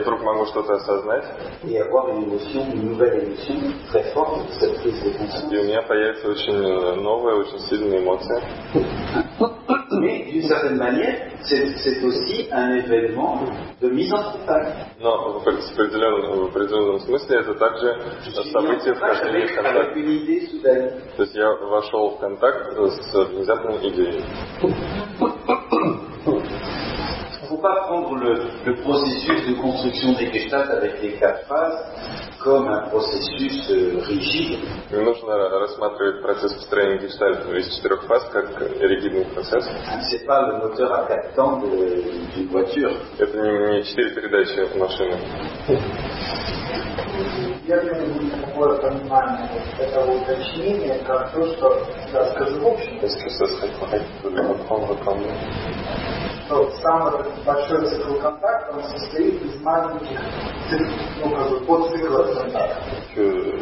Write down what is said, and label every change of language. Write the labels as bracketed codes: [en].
[ru] вдруг могу что-то осознать. И у меня появится очень новая, очень сильная эмоция. [fr] Mais d'une certaine manière, c'est aussi un événement de mise en contact. [ru] Но в определенном смысле это также событие вхождения в контакт. То есть я вошел в контакт с внезапной идеей. [fr] Faut pas prendre le processus de construction des gestalt avec les quatre phases comme un processus rigide. [ru] Нужно рассматривать процесс построения гештальт из четырех фаз как ригидный процесс. [fr] C'est pas le moteur à quatre temps d'une voiture. [ru] Это не четыре передачи от машины. Я думаю, такое понимание, это уточнение, как то, что, да, скажу в общем. Если сейчас хотите, то что самый большой цикл контакта он состоит из маленьких подциклов